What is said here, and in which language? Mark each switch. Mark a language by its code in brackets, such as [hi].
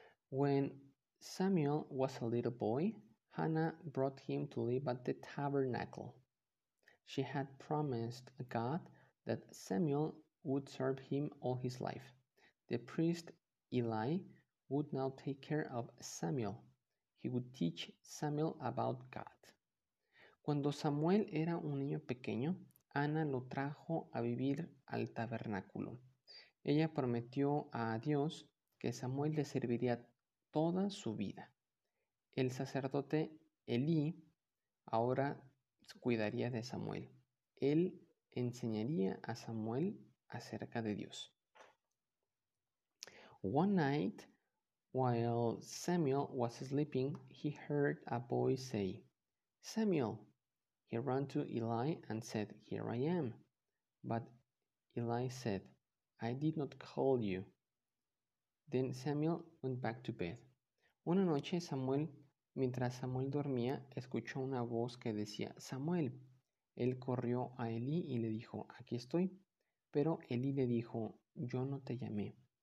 [en] When Samuel was a little boy, Hannah brought him to live at the tabernacle. She had promised God that Samuel would serve him all his life. The priest Eli would now take care of Samuel. He would teach Samuel about God. [es] Cuando Samuel era un niño pequeño, Ana lo trajo a vivir al tabernáculo. Ella prometió a Dios que Samuel le serviría toda su vida. El sacerdote Eli ahora cuidaría de Samuel. Él enseñaría a Samuel acerca de Dios. [en] One night, while Samuel was sleeping, he heard a voice say, "Samuel." He ran to Eli and said, "Here I am." But Eli said, "I did not call you." Then Samuel went back to bed. [es] Una noche, mientras Samuel dormía, escuchó una voz que decía, "Samuel." Él corrió a Eli y le dijo, "Aquí estoy." Pero Elí le dijo, yo no te llamé.